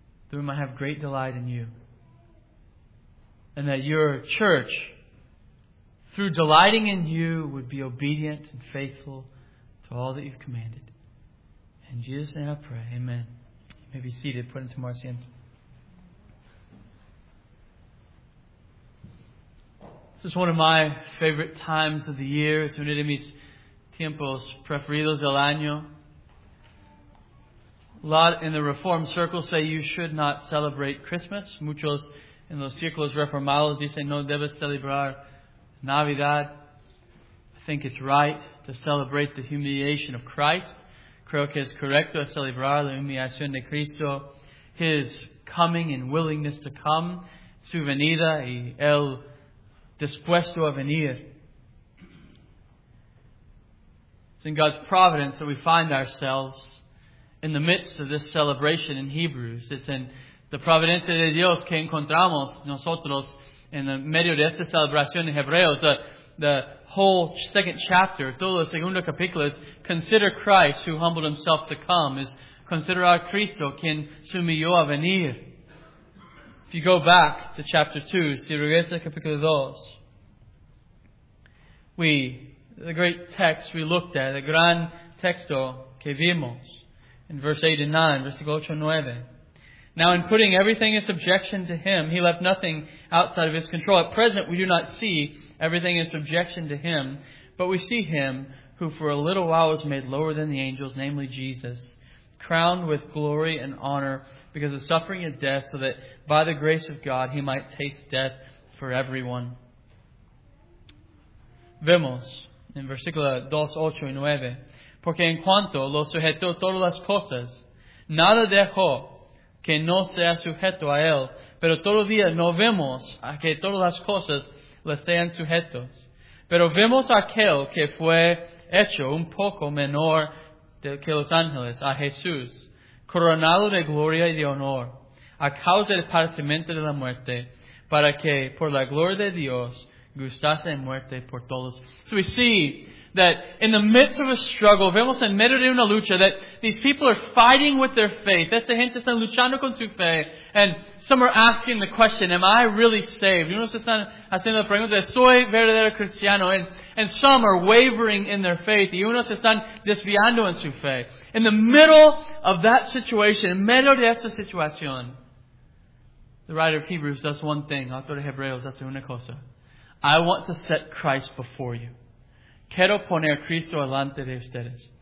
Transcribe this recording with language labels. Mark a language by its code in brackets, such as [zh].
[en] That we might have great delight in you. And that your church, through delighting in you, would be obedient and faithful to all that you've commanded. In Jesus' name I pray, amen. You may be seated, put into Marcian. This is one of my favorite times of the year. [es] Es uno de mis tiempos preferidos del año. [en] A lot in the Reformed circles say you should not celebrate Christmas. [es] Muchos en los círculos reformados dicen no debes celebrar Navidad. [en] I think it's right to celebrate the humiliation of Christ. [es] Creo que es correcto celebrar la humillación de Cristo. [en] His coming and willingness to come. [es] Su venida y el dispuesto a venir. [en] It's in God's providence that we find ourselves in the midst of this celebration in Hebrews. It's in the [es] providencia de Dios que encontramos nosotros en el medio de esta celebración en Hebreos. [en] The whole second chapter, [es] todo el segundo capítulo, [en] is consider Christ who humbled himself to come. Is consider [es] a Cristo quien se humilló a venir. [en] If you go back to chapter 2, [es] si regresa capítulo 2, [en] the great text we looked at, the [es] gran texto que vimos, [en] in verse 8 and 9, [es] versículo [en] 8 and 9. Now in putting everything in subjection to him, he left nothing outside of his control. At present, we do not see everything in subjection to him, but we see him who for a little while was made lower than the angels, namely Jesus, crowned with glory and honor because of suffering and death, so that by the grace of God he might taste death for everyone. [es] Vemos in versículo 2, 8 y 9. Porque en cuanto lo sujetó todas las cosas, nada dejó que no sea sujeto a él. Pero todavía no vemos a que todas las cosas le sean sujetos. Pero vemos a aquel que fue hecho un poco menor que los ángeles, a Jesús, coronado de gloria y de honor, a causa del padecimiento de la muerte, para que por la gloria de Dios gustase en muerte por todos. [en] So we see that in the midst of a struggle, [es] vemos en medio de una lucha, [en] that these people are fighting with their faith. [es] Esta gente están luchando con su fe. [en] And some are asking the question, am I really saved? [es] Unos están haciendo la pregunta, ¿soy verdadero cristiano? [en] And some are wavering in their faith. [es] Y unos están desviando en su fe. [en] In the middle of that situation, [es] en medio de esta situación, [en] the writer of Hebrews does one thing. [es] Autor de Hebreos, hace una cosa. [en] I want to set Christ before you. [es] Quiero poner Cristo delante de ustedes.